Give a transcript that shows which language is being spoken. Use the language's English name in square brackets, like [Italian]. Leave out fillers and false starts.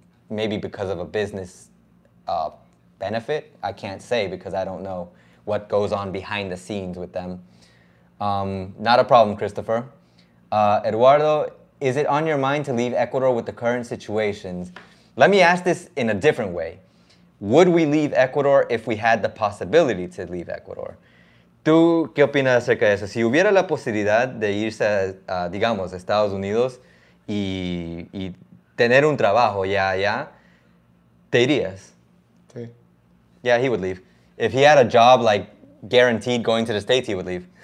[English] Maybe because of a business benefit, I can't say because I don't know what goes on behind the scenes with them. Not a problem, Christopher. Eduardo, is it on your mind to leave Ecuador with the current situations? Let me ask this in a different way. Would we leave Ecuador if we had the possibility to leave Ecuador? [Spanish] ¿Tú qué opinas acerca de eso? Si hubiera la posibilidad de irse a, digamos, Estados Unidos y tener un trabajo ya allá, ¿te irías? [English] Yeah, he would leave. If he had a job like guaranteed going to the States, he would leave.